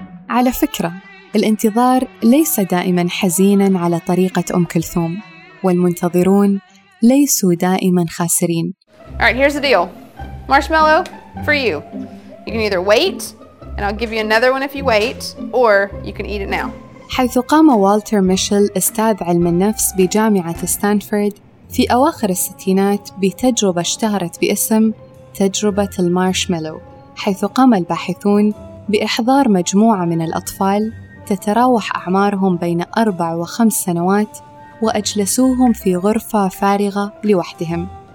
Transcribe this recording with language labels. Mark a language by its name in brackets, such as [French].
[Arabic] على فكرة الانتظار ليس دائما حزينا على طريقة أم كلثوم، والمنتظرون ليسوا دائما خاسرين. [English] Alright, here's the deal. Marshmallow for you. You can either wait and I'll give you another one if you wait, or you can eat it now. [Arabic] حيث قام والتر ميشيل استاذ علم النفس بجامعة ستانفورد في أواخر الستينات بتجربة اشتهرت باسم تجربة المارشميلو، حيث قام الباحثون بإحضار مجموعة من الأطفال تتراوح أعمارهم بين 4 و5 سنوات وأجلسوهم في غرفة فارغة لوحدهم،